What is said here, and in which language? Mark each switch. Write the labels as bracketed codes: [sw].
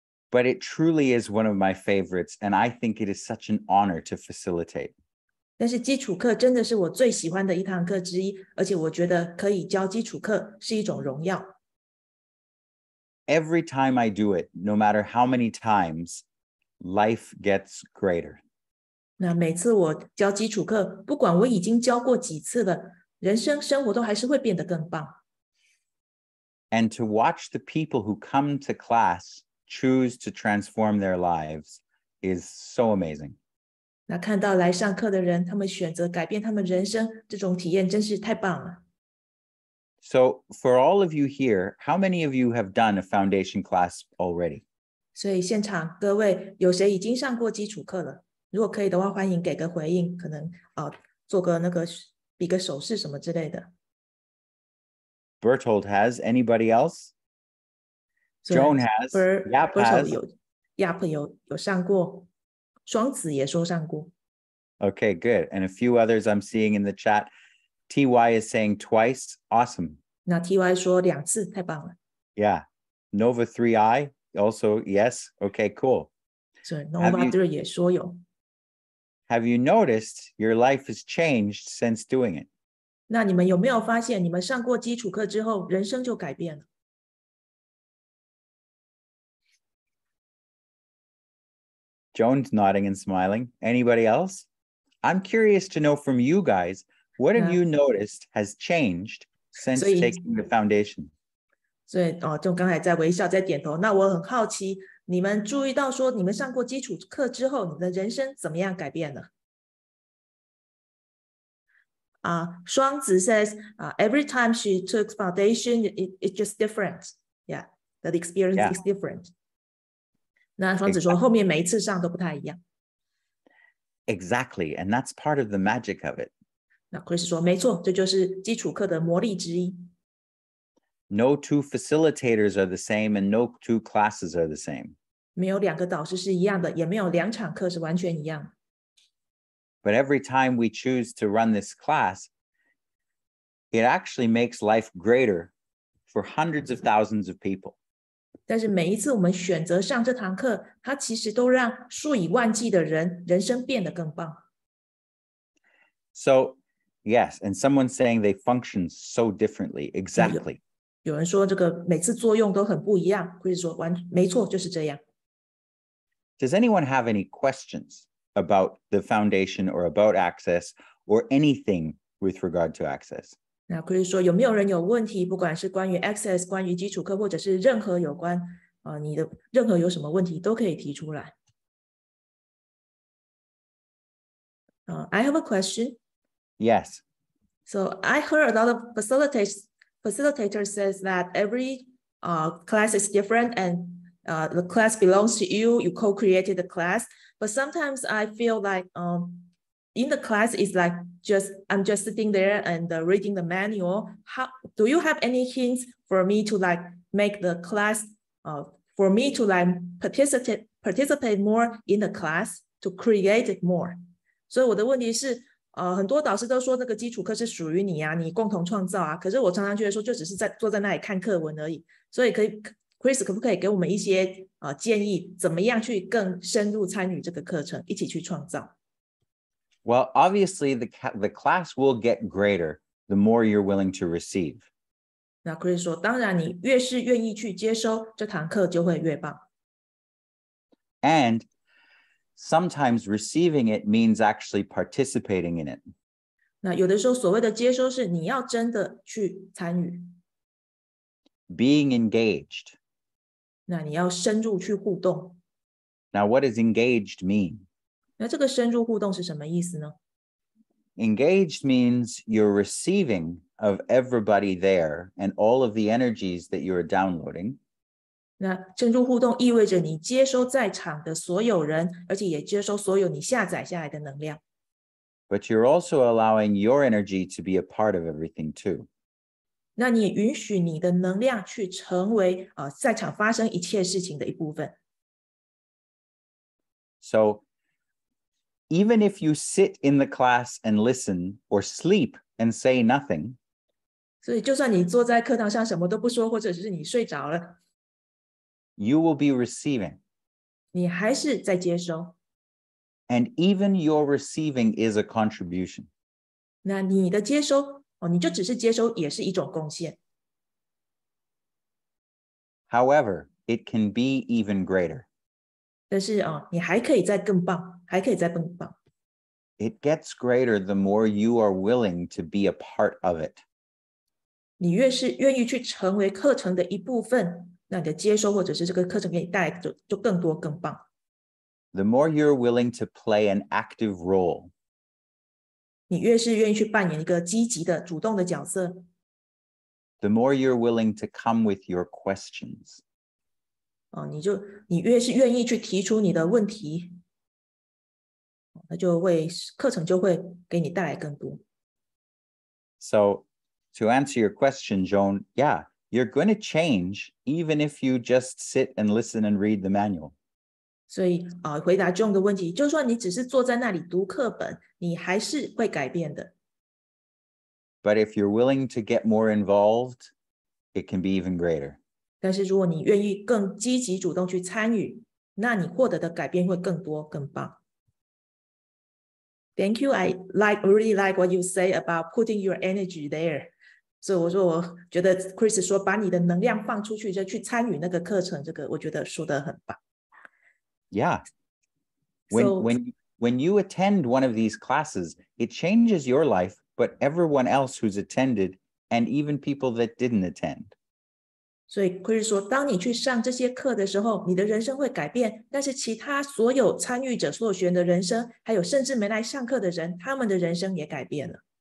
[en] but it truly is one of my favorites, and I think it is such an honor to facilitate. [zh] 但是基础课真的是我最喜欢的一堂课之一，而且我觉得可以教基础课是一种荣耀。 [en] Every time I do it, no matter how many times, life gets greater. [zh] 那每次我教基础课，不管我已经教过几次了，人生生活都还是会变得更棒。 [en] And to watch the people who come to class choose to transform their lives is so amazing. [zh] 那看到来上课的人，他们选择改变他们人生，这种体验真是太棒了。 [en] So for all of you here, how many of you have done a foundation class already? [zh] 所以现场各位，有谁已经上过基础课了？如果可以的话，欢迎给个回应，可能做个那个比个手势什么之类的。 [en] Berthold has, anybody else? Joan has, Yap has. [zh] Yap 有上过，双子也说上过。 [en] Okay, good. And a few others I'm seeing in the chat. TY is saying twice, awesome. [zh] 那 TY 说两次，太棒了。 [en] Yeah. Nova 3i, also yes. Okay, cool. [zh] So Nova 3 也说有。 [en] Have you noticed your life has changed since doing it? [zh] 那你们有没有发现你们上过基础课之后人生就改变了？ [en] Joan's nodding and smiling. Anybody else? I'm curious to know from you guys, what have you noticed has changed since taking the foundation? [zh] 所以就刚才在微笑在点头，那我很好奇你们注意到说你们上过基础课之后你们的人生怎么样改变了？ [en] 双子 says, every time she took foundation, it's just different. Yeah, that experience is different. [zh] 那双子说后面每一次上都不太一样。 [en] Exactly, and that's part of the magic of it. [zh] 那 Chris 说没错，这就是基础课的魔力之一。 [en] No two facilitators are the same and no two classes are the same. [zh] 没有两个导师是一样的，也没有两场课是完全一样。 [en] But every time we choose to run this class, it actually makes life greater for hundreds of thousands of people. [zh] 但是每一次我们选择上这堂课，它其实都让数以万计的人人生变得更棒。 [en] So, yes, and someone's saying they function so differently. Exactly. [zh] 有人说这个每次作用都很不一样，或者说完，没错，就是这样。 [en] Does anyone have any questions about the foundation or about access or anything with regard to access? [zh] 那可以说有没有人有问题，不管是关于 access, 关于基础课，或者是任何有关你的任何有什么问题都可以提出来。 [en] I have a question. Yes. So I heard a lot of facilitators says that every class is different andthe class belongs to you, you co-created the class, but sometimes I feel like in the class it's like I'm just sitting there and reading the manual. How do you have any hints for me to like make the class for me to like participate more in the class to create it more? [zh] 所以我的问题是很多导师都说那个基础课是属于你啊，你共同创造啊，可是我常常觉得说就只是在坐在那里看课文而已，所以可以Chris, 可不可以给我们一些建议，怎么样去更深入参与这个课程，一起去创造？ [en] Well, obviously the class will get greater the more you're willing to receive. [zh] 那 Chris 说，当然你越是愿意去接收，这堂课就会越棒。 [en] And sometimes receiving it means actually participating in it. [zh] 那有的时候所谓的接收是你要真的去参与。 [en] Being engaged. [zh] 那你要深入去互动。 [en] Now, what does engaged mean? [zh] 那这个深入互动是什么意思呢？ [en] Engaged means you're receiving of everybody there and all of the energies that you're downloading. [zh] 那深入互动意味着你接收在场的所有人，而且也接收所有你下载下来的能量。 [en] But you're also allowing your energy to be a part of everything too. [zh] 那你也允许你的能量去成为在场发生一切事情的一部分。 [en] So, even if you sit in the class and listen or sleep and say nothing, [zh] 所以就算你坐在课堂上什么都不说，或者是你睡着了， [en] you will be receiving. [zh] 你还是在接收。 [en] And even your receiving is a contribution. [zh] 那你的接收，哦，你就只是接收，也是一种贡献。 [en] However, it can be even greater. [zh] 但是，哦，你还可以再更棒，还可以再更棒。 [en] It gets greater the more you are willing to be a part of it. [zh] 你越是愿意去成为课程的一部分，那你的接收或者是这个课程给你带来就更多更棒。 [en] The more you're willing to play an active role, [zh] 你越是愿意去扮演一个积极的、主动的角色。 [en] The more you're willing to come with your questions, [zh] 哦，你越是愿意去提出你的问题，那就会课程就会给你带来更多。 [en] So, to answer your question, Joan, yeah, you're going to change even if you just sit and listen and read the manual. [zh] 所以、回答 John 的问题，就算你只是坐在那里读课本，你还是会改变的。 [en] But if you're willing to get more involved, it can be even greater. [zh] 但是如果你愿意更积极主动去参与，那你获得的改变会更多更棒。 [en] Thank you. I like really like what you say about putting your energy there. [zh] 所以我说，我觉得 Chris 说把你的能量放出去，就去参与那个课程，这个我觉得说得很棒。 [en] Yeah. When you attend one of these classes, it changes your life, but everyone else who's attended, and even people that didn't attend. [zh] 所以可以说，当你去上这些课的时候，你的人生会改变，但是其他所有参与者、所有学员的人生，还有甚至没来上课的人，他们的人生也改变了。